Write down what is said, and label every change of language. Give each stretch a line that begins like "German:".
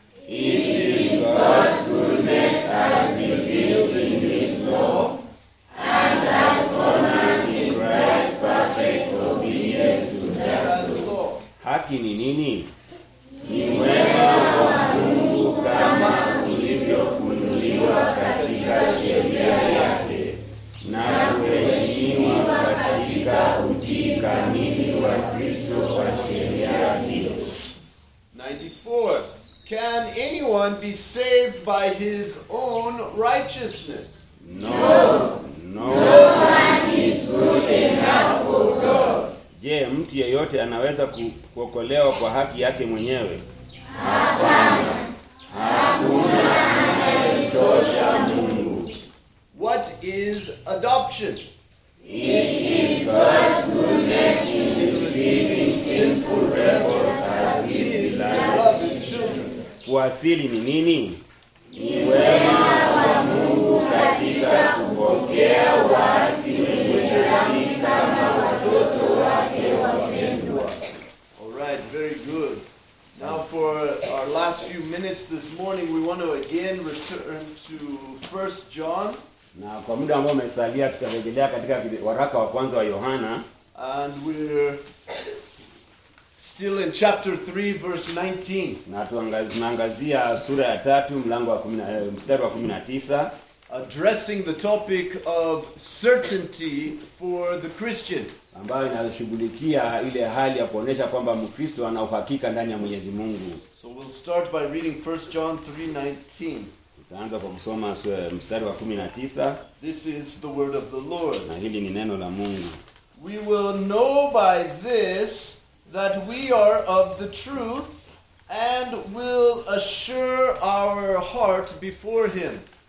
English: It is God's goodness as revealed in His law, and as honored in Christ's perfect obedience to that law.
Swahili: Haki ni nini? Ni wema wa Mungu kama ulivyofunuliwa katika sheria yake, na kuheshimiwa katika utii kamili wa Kristo kwa sheria hiyo.
English: 94. Can anyone be saved by his own righteousness? No. No. No one is good enough for God.
Swahili: Je, mtu yeyote anaweza kuokolewa kwa haki yake mwenyewe? Hapana. Hakuna anayetosha Mungu.
English: What is adoption? It is God's goodness in receiving sinful rebels as his beloved children.
Swahili: Kuasili ni nini? Ni wema wa Mungu katika kupokea wasi wenye dhambi kama watoto wake wapendwa.
English: All right, very good. Now for our last few minutes this morning, we want to again return to 1 John.
Swahili: Na kwa muda ambao umesalia tutarejelea katika waraka wa kwanza wa Yohana.
English: And we're still in chapter 3 verse 19.
Swahili: Na tunaangazia sura ya 3 mlango wa 10 mstari wa 19.
English: Addressing the topic of certainty for the Christian.
Swahili: Ambayo inashughulikia ile hali ya kuonesha kwamba Mkristo ana uhakika ndani ya Mwenyezi Mungu.
English: So we'll start by reading 1 John 3:19.
Swahili: Tutaanza kwa kusoma mstari wa 19.
English: This is the word of the Lord.
Swahili: Na hili ni neno la Mungu.
English: We will know by this that we are of the truth and will assure our heart before him.